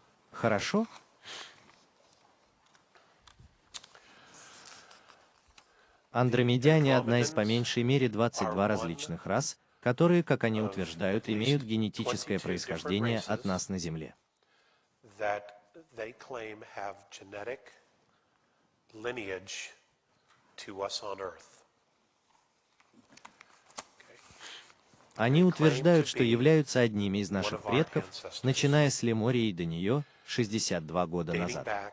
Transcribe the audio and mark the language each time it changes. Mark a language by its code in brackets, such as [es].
[ru] Хорошо? Андромедяне — одна из по меньшей мере 22 различных рас, которые, как они утверждают, имеют генетическое происхождение от нас на Земле. [en] That they claim have genetic lineage to us on Earth. [ru] Они утверждают, что являются одними из наших предков, начиная с Лемурии до нее 62 года назад.